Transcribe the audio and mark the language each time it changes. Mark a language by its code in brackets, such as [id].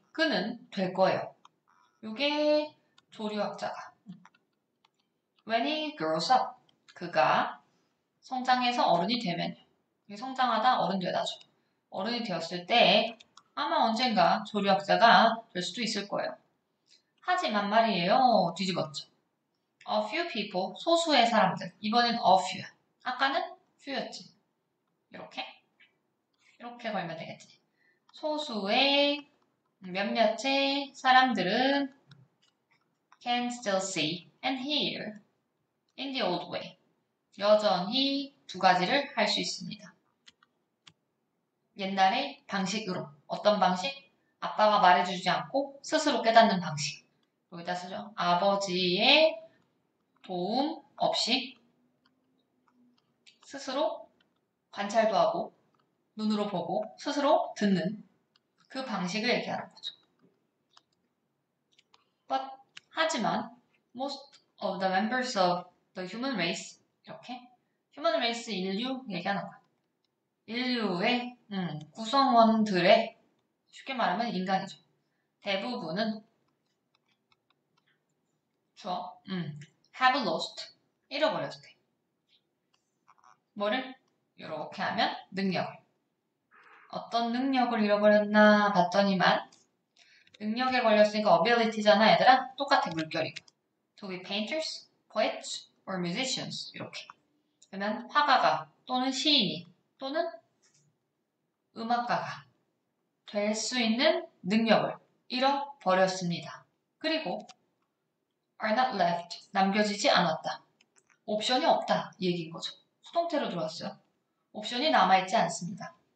[ko] 그는 될 거예요. 요게 조류학자가. [en] When he grows up. [ko] 그가 성장해서 어른이 되면요. 성장하다 어른 되다죠. 어른이 되었을 때 아마 언젠가 조류학자가 될 수도 있을 거예요. 하지만 말이에요. 뒤집었죠. [en] A few people, [ko] 소수의 사람들. 이번엔 a few야. 아까는 few였지. 이렇게. 이렇게 걸면 되겠지. 소수의 몇몇의 사람들은 [en] can still see and hear in the old way. [ko] 여전히 두 가지를 할수 있습니다. 옛날의 방식으로. 어떤 방식? 아빠가 말해주지 않고 스스로 깨닫는 방식. 여기다 쓰죠. 아버지의 도움 없이 스스로 관찰도 하고 눈으로 보고 스스로 듣는 그 방식을 얘기하는 거죠. [en] But, [ko] 하지만 [en] most of the members of the human race [ko] 이렇게 [en] human race [ko] 인류 얘기하는 거야. 인류의 구성원들의 쉽게 말하면 인간이죠. 대부분은 저 [en] have lost [ko] 잃어버렸대. 뭐를 이렇게 하면 능력. 어떤 능력을 잃어버렸나 봤더니만 능력에 걸렸으니까 ability잖아 얘들아. 똑같아 물결이. [en] To be painters, poets, or musicians [ko] 이렇게. 그러면 화가가 또는 시인이 또는 음악가가 될수 있는 능력을 잃어버렸습니다. 그리고 [en] are not left [ko] 남겨지지 않았다. 옵션이 없다 이 얘기인 거죠. 수동태로 들어왔어요. 옵션이 남아있지 않습니다.